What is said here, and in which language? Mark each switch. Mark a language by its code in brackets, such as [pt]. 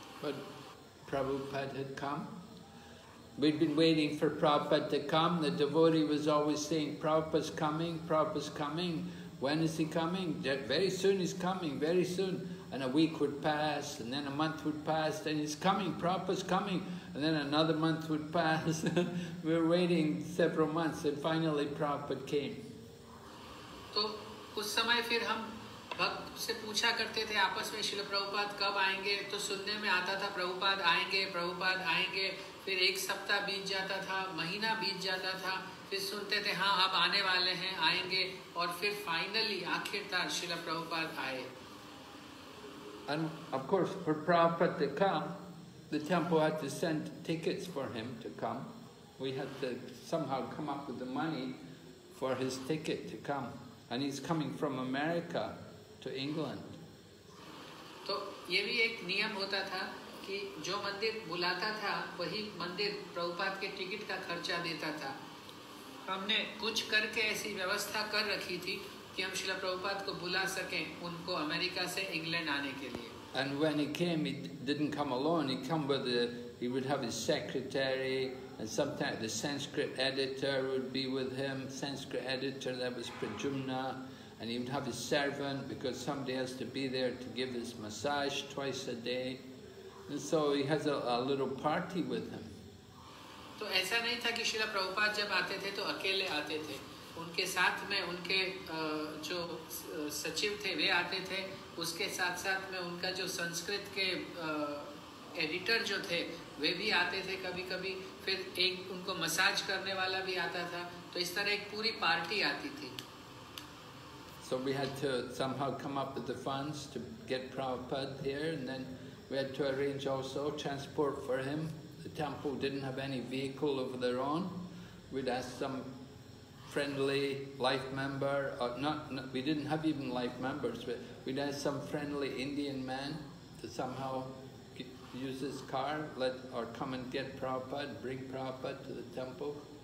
[en] But Prabhupada had come. We'd been waiting for Prabhupada to come. The devotee was always saying, Prabhupada's coming, Prabhupada's coming. When is he coming? Very soon he's coming, very soon. And a week would pass, and then a month would pass, then he's coming, Prabhupada's coming. And then another month would pass. We were waiting several months, and finally Prabhupada came. [hi] तो उस समय फिर हम भक्त से पूछा करते थे आपस में, श्रील प्रभुपाद कब आएंगे? तो सुनने में आता था प्रभुपाद आएंगे, प्रभुपाद आएंगे। फिर एक सप्ताह बीत जाता था, महीना बीत जाता था, फिर सुनते थे हाँ अब आने वाले हैं, आएंगे, और फिर फाइनली आखिरकार श्रील प्रभुपाद आए। [en] And of course, for Prabhupada to come, the temple had to send tickets for him to come. We had to somehow come up with the money for his ticket to come. And he's coming from America to England. [hi] तो ये भी एक नियम होता था कि जो मंदिर बुलाता था, वही मंदिर प्रभुपाद के टिकट का खर्चा देता था। हमने कुछ करके ऐसी व्यवस्था कर रखी थी कि हम श्रील प्रभुपाद को बुला सकें उनको अमेरिका से इंग्लैंड आने के लिए। [en] And when he came, he didn't come alone. He came with the, he would have his secretary, and sometimes the Sanskrit editor would be with him. Sanskrit editor, that was Prajumna, and he would have his servant because somebody has to be there to give his massage twice a day, and so he has a little party with him. [hi] तो ऐसा नहीं था कि श्रील प्रभुपाद जब आते थे तो अकेले आते थे। उनके साथ में उनके जो सचिव थे वे आते थे, उसके साथ साथ में उनका जो संस्कृत के एडिटर जो थे वे भी आते थे कभी कभी, फिर एक उनको मसाज करने वाला भी आता था, तो इस तरह एक पूरी पार्टी आती थी। [en] So we had to somehow come up with the funds to get Prabhupada here, and then we had to arrange also transport for him. The temple didn't have any vehicle of their own. We'd ask some friendly life member, we didn't have even life members, but we'd ask some friendly Indian man to somehow use his car, come and get Prabhupada, bring Prabhupada to the temple.